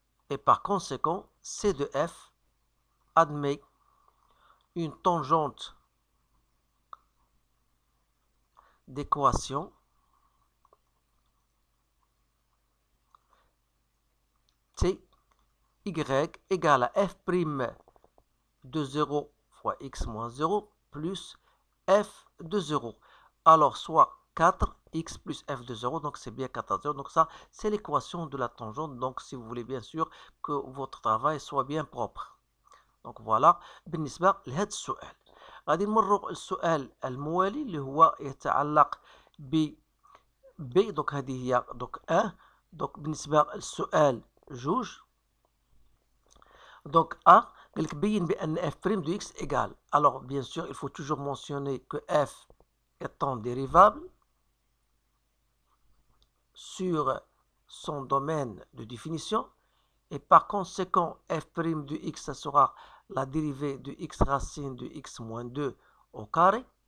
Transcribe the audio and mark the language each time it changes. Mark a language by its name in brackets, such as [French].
[French] Et par conséquent, C de F admet une tangente d'équation T y égale à F prime de 0 fois x moins 0 plus F de 0. Alors, soit 4 x plus f de 0, donc c'est bien 4 à 0. Donc ça, c'est l'équation de la tangente. Donc si vous voulez bien sûr que votre travail soit bien propre. Donc voilà. [Arabic] بالنسبة لهذا السؤال. غادي نمرو السؤال الموالي اللي هو يتعلق ب ب دونك هذه هي دونك 1 دونك بالنسبة للسؤال 2 دونك ا قالك بين بان [French] f prime de x égal. Alors bien sûr, il faut toujours mentionner que f est en dérivable sur son domaine de définition et par conséquent f prime de x ça sera la dérivée de x racine de x moins 2 au carré.